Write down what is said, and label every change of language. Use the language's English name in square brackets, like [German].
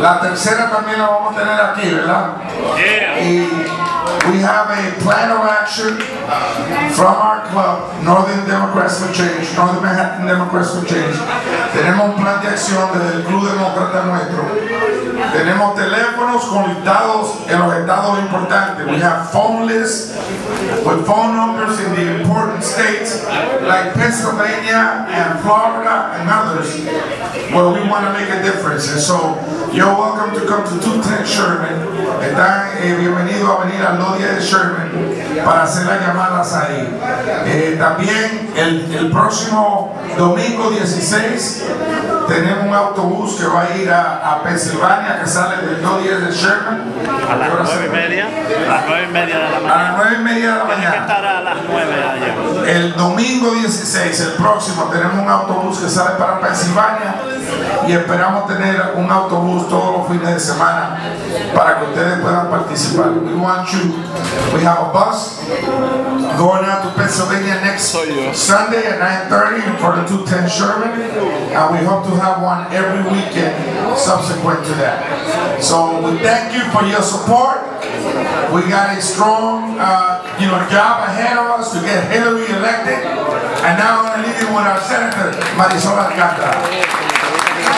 [Spanish] La tercera también la vamos a tener aquí, ¿verdad? [English] Yeah. Y we have a plan of action from our club, Northern Democrats for Change, Northern Manhattan Democrats for Change. [Spanish] Tenemos un plan de acción desde el Club Demócrata nuestro. Tenemos teléfonos conectados en los estados importantes. [English] We have phone lists with phone numbers in the important states like Pennsylvania and Florida and others where we want to make a difference. And so you're welcome to come to 210 Sherman. [Spanish] Están bienvenidos a venir al 210 de Sherman para hacer las llamadas ahí. También el próximo domingo 16 tenemos un autobús que va a ir a Pennsylvania, que sale del 210 de Sherman. A las 9:30. A las 9:30 de la mañana. A las 9:30 de la mañana. Tiene que estar a las 9 allá. El domingo 16, el próximo, tenemos un autobús que sale para Pensilvania y esperamos tener un autobús todos los fines de semana para que ustedes puedan participar. [English] We want you. We have a bus going out to Pennsylvania next Sunday at 9:30 for the 210 Sherman, and we hope to have one every weekend subsequent to that. So we thank you for your support. We got a strong job ahead of us to get Hillary elected, and now I'm going to leave you with our Senator Marisol Alcántara.